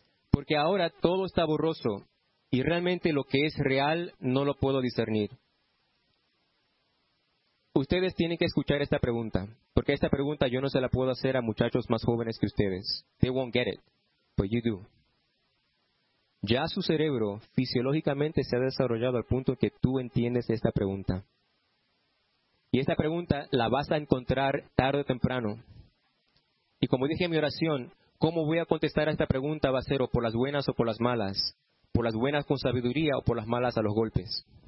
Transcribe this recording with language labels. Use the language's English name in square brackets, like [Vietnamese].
[Spanish] Porque ahora todo está borroso y realmente lo que es real no lo puedo discernir. Ustedes tienen que escuchar esta pregunta, porque esta pregunta yo no se la puedo hacer a muchachos más jóvenes que ustedes. [English] They won't get it, but you do. [Spanish] Ya su cerebro fisiológicamente se ha desarrollado al punto que tú entiendes esta pregunta. Y esta pregunta la vas a encontrar tarde o temprano. Y como dije en mi oración, ¿cómo voy a contestar a esta pregunta? Va a ser o por las buenas o por las malas. Por las buenas con sabiduría o por las malas a los golpes.